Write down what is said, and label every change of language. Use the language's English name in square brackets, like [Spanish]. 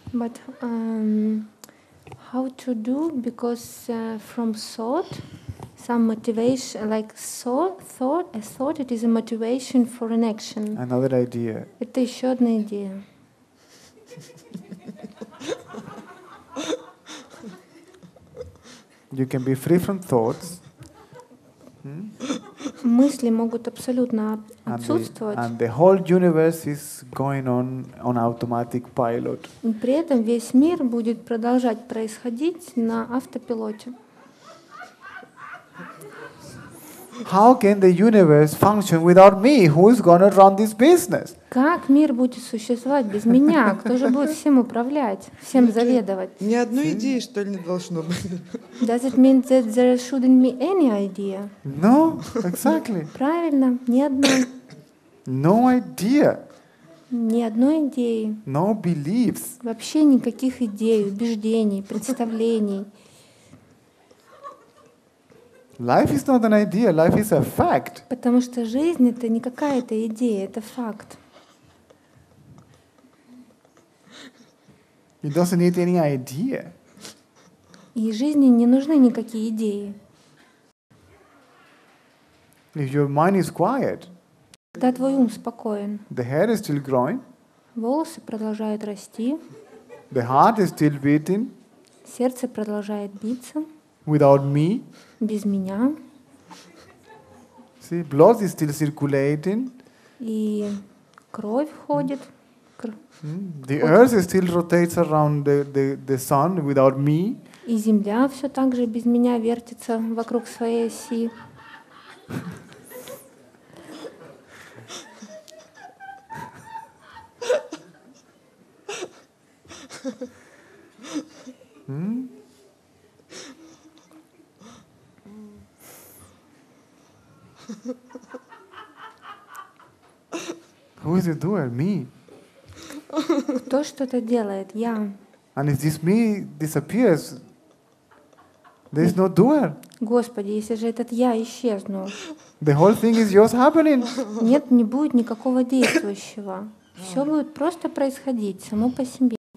[English] But how to do? Because from thought, some motivation, like thought, a thought, it is a motivation for an action. Another idea. [Russian] Это еще одна идея. [English] You can be free from thoughts. [Russian] Мысли могут абсолютно отсутствовать. [English] And the whole universe is going on automatic pilot. [Russian] При этом весь мир будет продолжать происходить на автопилоте. [English] How can the universe function without me? Who is going to run this business? [Russian] Как мир будет существовать без меня? Кто же будет всем управлять, всем заведовать? Ни одной идеи, что ли, не должно быть? [English] Does it mean that there shouldn't be any idea? No, exactly. [Russian] Правильно, ни одной. [English] No idea. [Russian] Ни одной идеи. [English] No beliefs. [Russian] Вообще никаких идей, убеждений, представлений. [English] Life is not an idea. Life is a fact. [Russian] Потому что жизнь — это не какая-то идея, это факт. [English] It doesn't need any idea. [Russian] И жизни не нужны никакие идеи. [English] If your mind is quiet. [Russian] Когда твой ум спокоен. [English] The hair is still growing. [Russian] Волосы продолжают расти. [English] The heart is still beating. [Russian] Сердце продолжает биться. [English] Without me. [Russian] Без меня. [English] See, blood is still circulating. [Russian] И кровь ходит. [English] The earth still rotates around the sun without me. [Russian] И земля все так же без меня вертится вокруг своей оси. Hmm? [English] Who is it doing? Me. [Russian] Кто что-то делает? Я. [English] And if this me disappears, there is no doer. [Russian] Господи, если же этот я исчезну. [English] The whole thing is yours happening. [Russian] Нет, не будет никакого действующего. Все будет просто происходить само по себе.